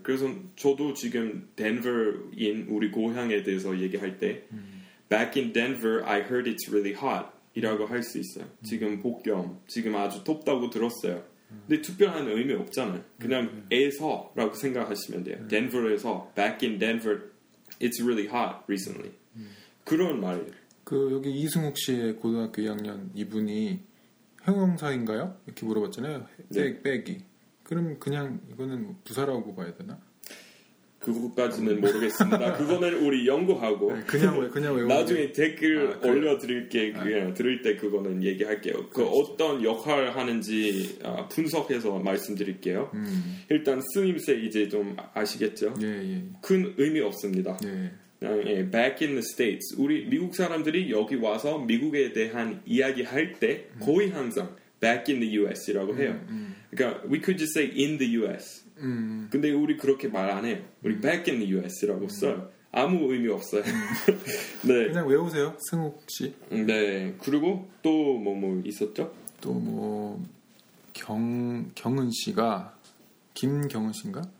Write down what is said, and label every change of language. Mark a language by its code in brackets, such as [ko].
[ko] 그래서 저도 지금 Denver인 우리 고향에 대해서 얘기할 때 [en] back in Denver, I heard it's really hot. [ko] 이라고 할 수 있어요. 지금 폭염, 지금 아주 덥다고 들었어요. 근데 특별한 의미 없잖아요. 그냥 에서 라고 생각하시면 돼요. [en] Denver에서, back in Denver, it's really hot recently. [ko] 그런 말이에요. 그 여기 이승욱 씨의 고등학교 2학년 이분이 형용사인가요? 이렇게 물어봤잖아요. 네. 빼기. 그럼 그냥 이거는 부사라고 봐야 되나? 그것까지는 모르겠습니다. 그거는 우리 연구하고 네, 그냥 나중에 댓글 아, 그래. 올려드릴게 그냥 아, 들을 때 그거는 얘기할게요. 그 그렇죠. 어떤 역할을 하는지 분석해서 말씀드릴게요. 일단 쓰임새 이제 좀 아시겠죠? 예, 예. 큰 의미 없습니다. 예. 예, [en] back in the States. [ko] 우리 미국 사람들이 여기 와서 미국에 대한 이야기할 때 거의 항상 [en] back in the US [ko] 이라고 해요. 그러니까 [en] we could just say in the US. [ko] 근데 우리 그렇게 말 안 해요. 우리 [en] back in the US [ko] 라고 써요. 아무 의미 없어요. 네. 그냥 외우세요, 승욱 씨. 네. 그리고 또 뭐 있었죠? 또 뭐 경은 씨가 김경은 씨인가?